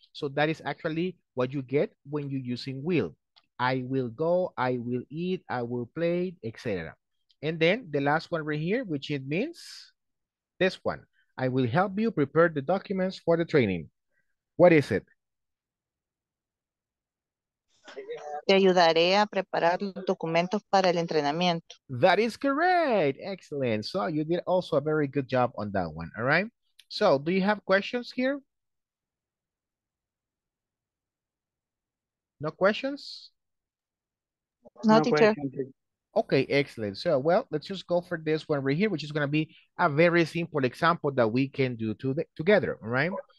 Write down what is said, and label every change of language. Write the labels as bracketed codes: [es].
[en] So that is actually what you get when you're using will. I will go, I will eat, I will play, etc. And then the last one right here, which it means this one. I will help you prepare the documents for the training. What is it? [es] Te ayudaré a preparar los documentos para el entrenamiento. [en] That is correct. Excellent. So you did also a very good job on that one. All right. So do you have questions here? No questions? No, teacher. Okay, excellent. So, well, let's just go for this one right here, which is going to be a very simple example that we can do together. All right.